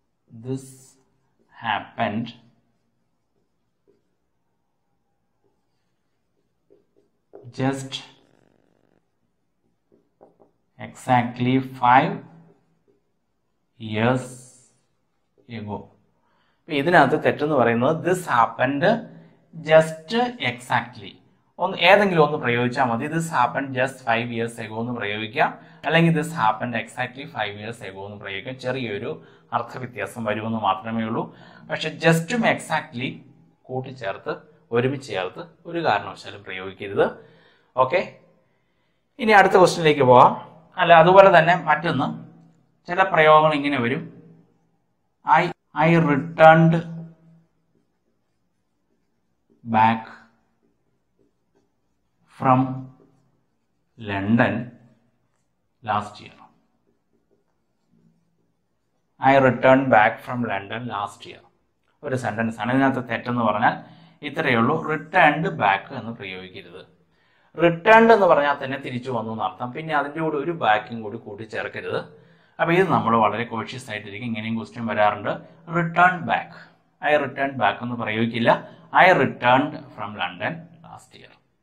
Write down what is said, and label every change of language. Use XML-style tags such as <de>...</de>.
<en>This happened just exactly 5 years ago.</en> <ml>ഇതിനകത്ത് തെറ്റെന്ന് പറയുന്നത്</ml> <en>this happened just exactly.</en> <ml>ഒന്ന് ഏതെങ്കിലും ഒന്ന് പ്രയോഗിച്ചാൽ മതി.</ml> <en>this happen just 5 years ago</en> <ml>എന്ന് പ്രയോഗിക്കാം, അല്ലെങ്കിൽ</ml> <en>this happen exactly 5 years ago</en> <ml>എന്ന് പ്രയോഗിക്കാം. ചെറിയൊരു അർത്ഥ വ്യത്യാസം വരുമെന്ന് മാത്രമേ ഉള്ളൂ. പക്ഷെ ജസ്റ്റും എക്സാക്ട്ലി കൂട്ടിച്ചേർത്ത് ഒരുമിച്ച് ചേർത്ത് ഒരു കാരണവശാലും പ്രയോഗിക്കരുത്. ഓക്കെ, ഇനി അടുത്ത ക്വസ്റ്റ്യനിലേക്ക് പോവാം. അല്ല, അതുപോലെ തന്നെ മറ്റൊന്ന്, ചില പ്രയോഗങ്ങൾ ഇങ്ങനെ വരും,</ml> <en>I returned back from London last year. I returned back from London last year.</en> <ml>ഒരു സെൻറ്റൻസ് ആണ്. ഇതിനകത്ത് തെറ്റെന്ന് പറഞ്ഞാൽ ഇത്രയേ ഉള്ളൂ, റിട്ടേൺഡ് ബാക്ക് എന്ന് പ്രയോഗിക്കരുത്. റിട്ടേൺഡ് എന്ന് പറഞ്ഞാൽ തന്നെ തിരിച്ചു വന്നു എന്നർത്ഥം. പിന്നെ അതിൻ്റെ കൂടെ ഒരു ബാക്കും കൂടി കൂട്ടിച്ചേർക്കരുത്. അപ്പോൾ ഇത് നമ്മൾ വളരെ കോഷ്യസ് ആയിട്ടിരിക്കും. ഇങ്ങനെയും ക്വസ്റ്റ്യൻ വരാറുണ്ട്, return back,</ml> <en>I return back</en> <ml>എന്ന് പ്രയോഗിക്കില്ല,</ml> <en>I returned from London last year.</en>